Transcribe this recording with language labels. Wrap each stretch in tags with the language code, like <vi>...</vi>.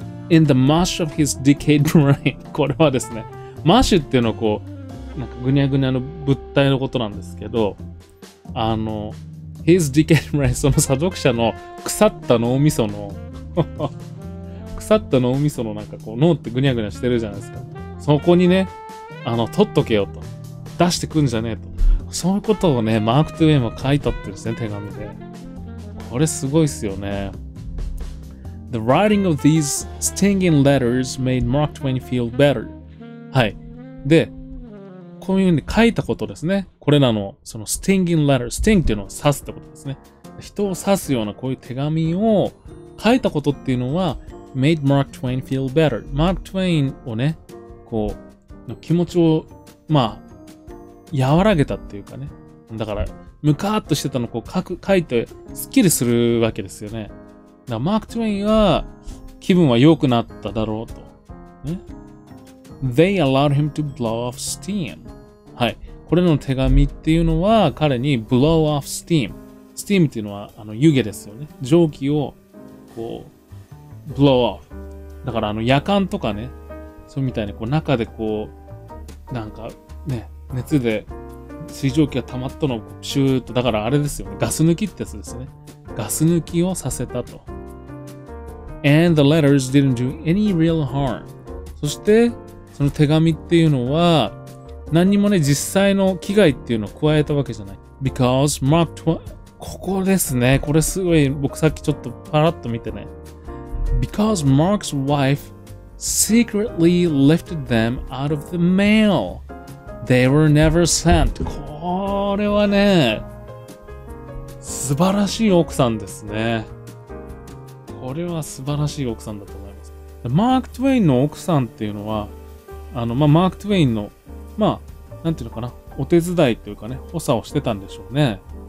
<en>In the mush of his decayed brain</en> <ja>これはですね、マッシュっていうのはこうなんかグニャグニャの物体のことなんですけど、あの</ja> <en>his decayed brain、</en> <ja>その査読者の腐った脳みその腐った脳みそのなんかこう脳ってグニャグニャしてるじゃないですか。そこにね、あの、取っとけよと、出してくんじゃねえと、そういうことをね、マーク・トゥエンは書いたってですね、手紙で。これすごいっすよね。</ja> <en>The writing of these stinging letters made Mark Twain feel better.</en> <ja>はい。で、こういうふうに書いたことですね。これらの、その</ja> <en>stinging letters、</en> <ja>sting っていうのは刺すってことですね。人を刺すようなこういう手紙を書いたことっていうのは、</ja> <en>made Mark Twain feel better。</en> <ja>Mark Twain をね、こう、の気持ちを、まあ、和らげたっていうかね。だから、ムカーっとしてたのをこう書いて、スッキリするわけですよね。だから、マーク・トウェインは、気分は良くなっただろうと。</ja> <en>ね、They allowed him to blow off steam.</en> <ja>はい。これの手紙っていうのは彼に</ja> <en>blow off steam。</en> <ja>steam っていうのはあの湯気ですよね。蒸気をこう</ja> <en>blow off。</en> <ja>だからあの夜間とかね、そうみたいにこう中でこうなんかね熱で水蒸気が溜まったのをシューッと、だからあれですよね、ガス抜きってやつですね。ガス抜きをさせたと。</ja> <en>And the letters didn't do any real harm.</en> <ja>そしてその手紙っていうのは何にもね実際の危害っていうのを加えたわけじゃない。</ja> <en>Because Mark Twain、</en> <ja>ここですね、これすごい僕さっきちょっとパラッと見てね。</ja> <en>Because Mark's wife secretly lifted them out of the mail. They were never sent.</en> <ja>これはね、素晴らしい奥さんですね。これは素晴らしい奥さんだと思います。マーク・トゥエインの奥さんっていうのは、あの、まあ、マーク・トゥエインの、まあ、なんていうのかな、お手伝いというかね、補佐をしてたんでしょうね。</ja>